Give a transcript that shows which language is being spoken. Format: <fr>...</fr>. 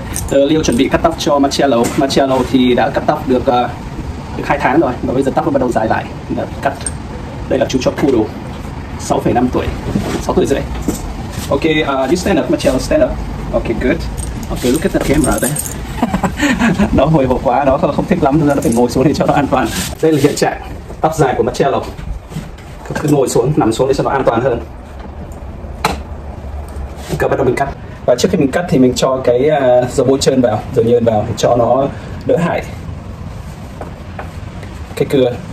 <vi>Bill chuẩn bị cắt tóc cho Marcello. Marcello thì đã cắt tóc được 2 tháng rồi và bây giờ tóc nó bắt đầu dài lại. Đã cắt. Đây là chú chó poodle, 6,5 tuổi, 6 tuổi rưỡi.</vi> <en>Okay, you stand up, Marcello, stand up. Okay, good. Okay, look at the camera there.</en> <vi>Nó hồi hộp quá, nó không thích lắm, nên nó phải ngồi xuống để cho nó an toàn. Đây là hiện trạng tóc dài của Marcello. Cứ ngồi xuống, nằm xuống để cho nó an toàn hơn. Okay, bắt đầu mình cắt. Và trước khi mình cắt thì mình cho cái dầu bôi trơn vào, dầu nhơn vào để cho nó đỡ hại cái cưa.</vi>